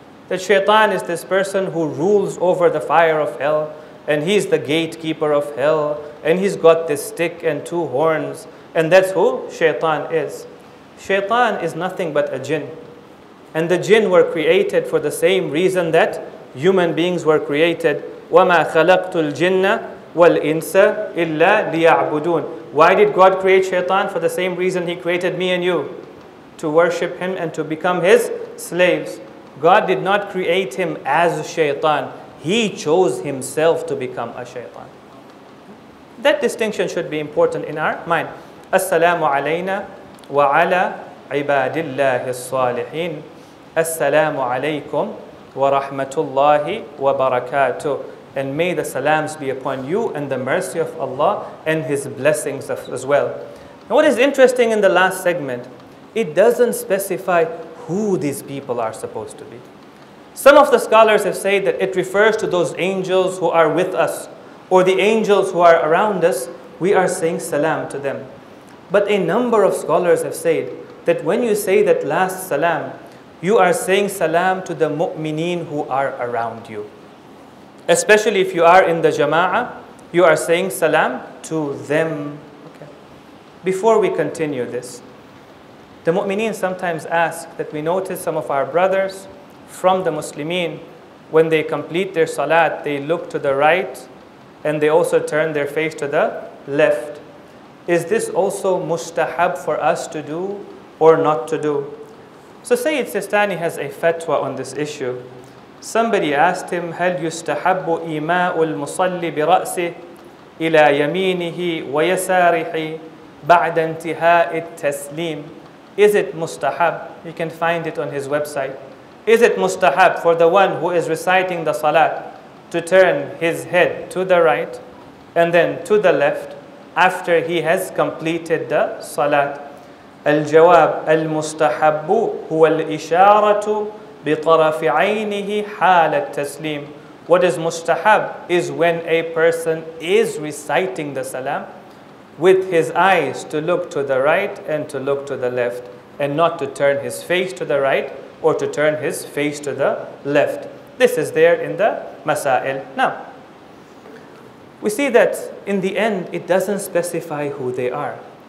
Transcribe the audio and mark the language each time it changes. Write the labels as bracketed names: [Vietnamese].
[English] that shaitan is this person who rules over the fire of hell, and he's the gatekeeper of hell, and he's got this stick and two horns, and that's who shaitan is. Shaitan is nothing but a jinn. And the jinn were created for the same reason that human beings were created. [Arabic] وَمَا خَلَقْتُ الْجِنَّ وَالْإِنسَ إِلَّا لِيَعْبُدُونَ [English] Why did God create shaitan? For the same reason he created me and you, to worship him and to become his slaves. God did not create him as shaitan. He chose himself to become a shaitan. That distinction should be important in our mind. [Arabic] السلام علينا وعلى عباد الله الصالحين. السلام عليكم ورحمة الله وبركاته. [English] And may the salams be upon you and the mercy of Allah and His blessings as well. Now what is interesting in the last segment, it doesn't specify who these people are supposed to be. Some of the scholars have said that it refers to those angels who are with us, or the angels who are around us, we are saying salam to them. But a number of scholars have said that when you say that last salam, you are saying salam to the mu'mineen who are around you. Especially if you are in the jama'ah, you are saying salam to them. Okay. Before we continue this, the mu'mineen sometimes ask that we notice some of our brothers from the muslimin, when they complete their salat, they look to the right and they also turn their face to the left. Is this also mustahab for us to do or not to do? So Sayyid Sistani has a fatwa on this issue. Somebody asked him, [Arabic] هَلْ يُسْتَحَبُّ إِمَاءُ الْمُصَلِّ بِرَأْسِهِ إِلَىٰ يَمِينِهِ وَيَسَارِحِ بَعْدَ انْتِهَاءِ التَّسْلِيمِ [English] Is it mustahab? You can find it on his website. Is it mustahab for the one who is reciting the salat to turn his head to the right and then to the left after he has completed the salat? [Arabic] الجواب المستحب هو الإشارة بطرف عينه حال التسليم. [English] What is mustahab is when a person is reciting the salam with his eyes to look to the right and to look to the left, and not to turn his face to the right or to turn his face to the left. This is there in the Masail. Now, we see that in the end, it doesn't specify who they are.